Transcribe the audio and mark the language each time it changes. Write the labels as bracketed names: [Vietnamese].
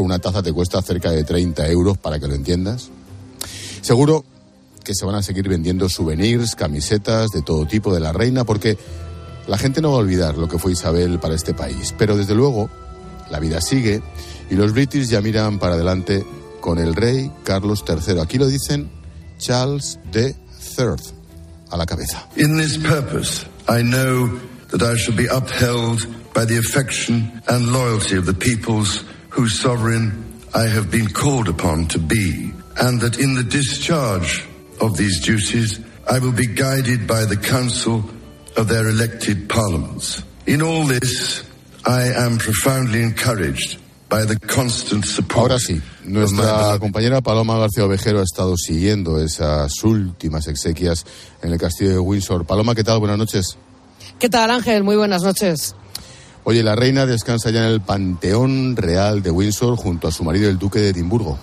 [Spanish] Una taza te cuesta cerca de 30 euros, para que lo entiendas. Seguro que se van a seguir vendiendo souvenirs, camisetas de todo tipo de la reina, porque la gente no va a olvidar lo que fue Isabel para este país. Pero desde luego, la vida sigue y los british ya miran para adelante con el rey Carlos III. Aquí lo dicen Charles de III a la cabeza. [English] In this purpose, I know that I shall be upheld by the affection and loyalty of the peoples whose sovereign I have been called upon to be, and that in the discharge of these duties, I will be guided by the counsel of their elected parliaments. In all this, I am profoundly encouraged by the constant support. [Spanish] Ahora sí, nuestra compañera Paloma García Ovejero ha estado siguiendo esas últimas exequias en el castillo de Windsor. Paloma, ¿qué tal? Buenas noches. ¿Qué tal, Ángel? Muy buenas noches. Oye, la reina descansa ya en el Panteón Real de Windsor junto a su marido, el duque de Edimburgo.